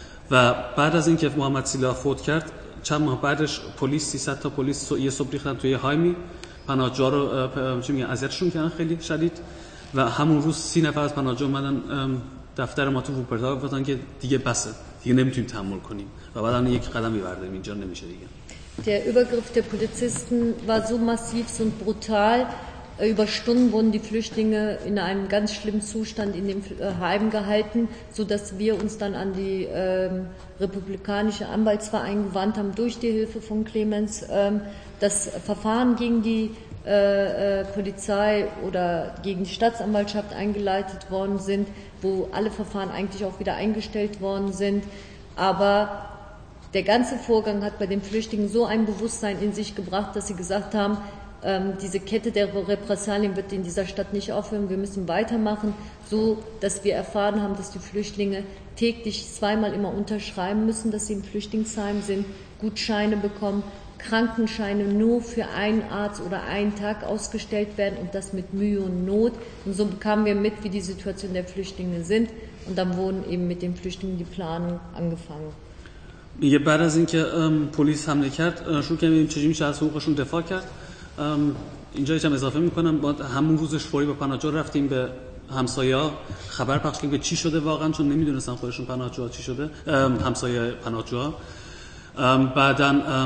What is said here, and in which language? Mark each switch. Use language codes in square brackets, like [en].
[fa] و بعد از اینکه محمد سیلا فوت کرد چند ماه بعدش پلیس 300 تا پلیس یه صبح ریختن توی هایمی پناهجو رو اذیتشون کردن خیلی شدید و همون روز 30 نفر از پناهجو اومدن دفتر ما تو وپرتا گفتن که دیگه بسه دیگه نمیتونیم تحمل کنیم و بعد هم یک قدمی برداریم اینجا نمیشه دیگه. [de] Der Übergriff der Polizisten war so massiv und brutal. Über Stunden wurden die Flüchtlinge in einem ganz schlimmen Zustand in dem Heim gehalten, sodass wir uns dann an die republikanische Anwaltsverein gewandt haben durch die Hilfe von Clemens. Das Verfahren gegen die Polizei oder gegen die Staatsanwaltschaft eingeleitet worden sind, wo alle Verfahren eigentlich auch wieder eingestellt worden sind. Aber der ganze Vorgang hat bei den Flüchtlingen so ein Bewusstsein in sich gebracht, dass sie gesagt haben, diese Kette der Repressalien wird in dieser Stadt nicht aufhören, wir müssen weitermachen, so dass wir erfahren haben, dass die Flüchtlinge täglich zweimal immer unterschreiben müssen, dass sie im Flüchtlingsheim sind, Gutscheine bekommen, Krankenscheine nur für einen Arzt oder einen Tag ausgestellt werden und das mit Mühe und Not. Und so bekamen wir mit, wie die Situation der Flüchtlinge sind und dann wurden eben mit den Flüchtlingen die Planung angefangen. [fa] میگه بعد از اینکه پلیس حمله کرد شروع کردیم چجوری میشه از حقوقشون دفاع کرد. اینجا هم اضافه میکنم بعد همون روزش فوری به پناهجو رفتیم به همسایه‌ها خبر پخش کردیم که چی شده واقعا چون نمیدونستن خودشون پناهجو چی شده همسایه پناهجو. بعدن